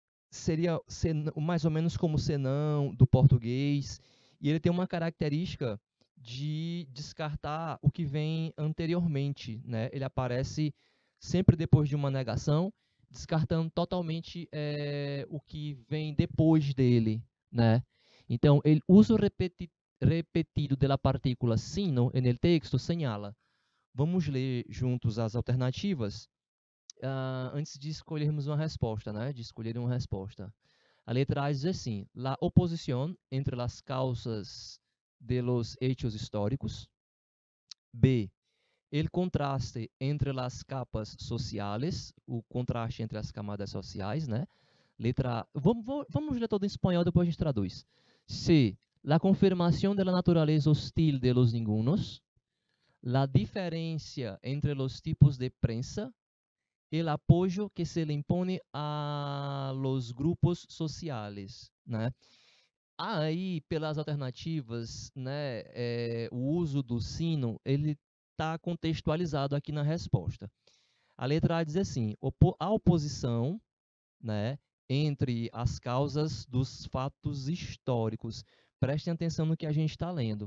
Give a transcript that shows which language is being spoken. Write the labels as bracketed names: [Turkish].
[Portuguese] Seria mais ou menos como senão do português, e ele tem uma característica de descartar o que vem anteriormente, né? Ele aparece sempre depois de uma negação, descartando totalmente o que vem depois dele, né? Então, [Spanish] el uso repetido de la partícula sino en el texto señala. [Portuguese] Vamos ler juntos as alternativas antes de escolhermos uma resposta, né? De escolher uma resposta. A letra A diz assim: [Spanish] la oposición entre las causas de los hechos históricos. [Portuguese] B. [Spanish] El contraste entre las capas sociales, [Portuguese] o contraste entre as camadas sociais, né? Letra A. Vamos ler todo em espanhol, depois a gente traduz. C. [Spanish] La confirmación de la naturaleza hostil de los ningunos. La diferencia entre los tipos de prensa. El apoyo que se le impone a los grupos sociales, né? [Portuguese] Aí, pelas alternativas, né? O uso do sino, ele está contextualizado aqui na resposta. A letra A diz assim: a oposição, né, entre as causas dos fatos históricos. Prestem atenção no que a gente está lendo.